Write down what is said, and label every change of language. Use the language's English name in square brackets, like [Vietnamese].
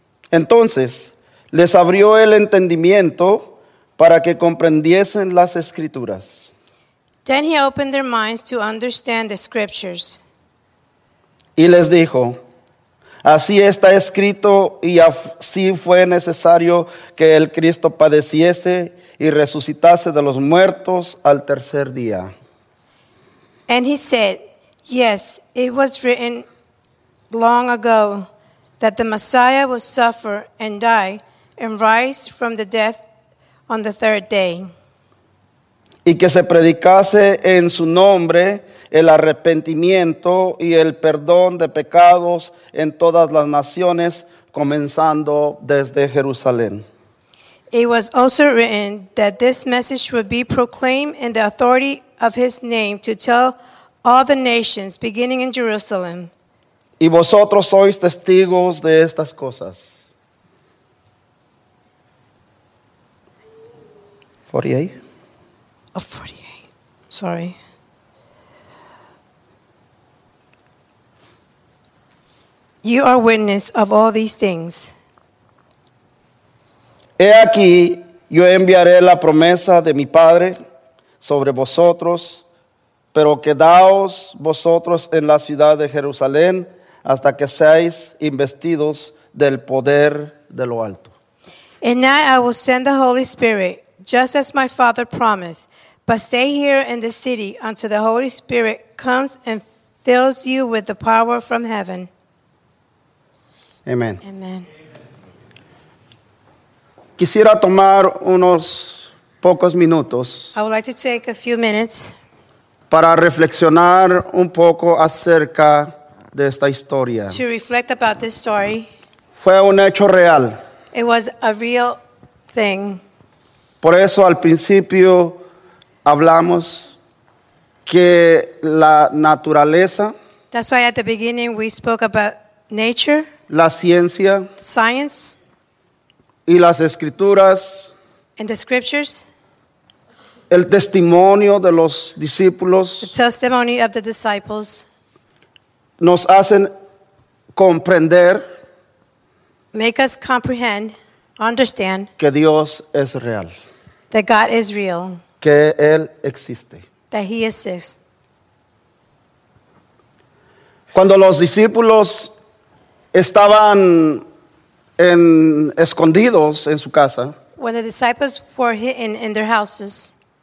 [Spanish] Entonces, Les abrió el entendimiento para que comprendiesen las escrituras. [English] Then he opened their minds to understand the scriptures. [Spanish] Y les dijo, así está escrito y así fue necesario que el Cristo padeciese y resucitase de los muertos al tercer día. [English] And he said, yes, it was written long ago that the Messiah would suffer and die and rise from the death on the third day. [Spanish] Y que se predicase en su nombre el arrepentimiento y el perdón de pecados en todas las naciones, comenzando desde Jerusalén. [English] It was also written that this message would be proclaimed in the authority of his name to tell all the nations, beginning in Jerusalem. [Spanish] Y vosotros sois testigos de estas cosas. [English] 48. Oh, 48. Sorry. You are witness of all these things. [Spanish] He aquí, yo enviaré la promesa de mi Padre sobre vosotros, pero quedaos vosotros en la ciudad de Jerusalén hasta que seáis investidos del poder de lo alto. [English] And now I will send the Holy Spirit, just as my Father promised, but stay here in the city until the Holy Spirit comes and fills you with the power from heaven. Amen. Amen. [Spanish] Quisiera tomar unos pocos minutos. [English] I would like to take a few minutes [Spanish] para reflexionar un poco acerca de esta historia. [English] To reflect about this story. [Spanish] Fue un hecho real. [English] It was a real thing. [Spanish] Por eso al principio hablamos que la naturaleza. [English] That's why at the beginning we spoke about nature. [Spanish] La ciencia. [English] Science. [Spanish] Y las escrituras. [English] And the scriptures. [Spanish] El testimonio de los discípulos. [English] The testimony of the disciples. [Spanish] Nos hacen comprender. [English] Make us comprehend, understand. [Spanish] Que Dios es real. [English] That God is real. [Spanish] Que Él existe. [English] That He exists. [Spanish] Cuando los discípulos estaban en escondidos en su casa. [English] When the disciples were hidden in their houses.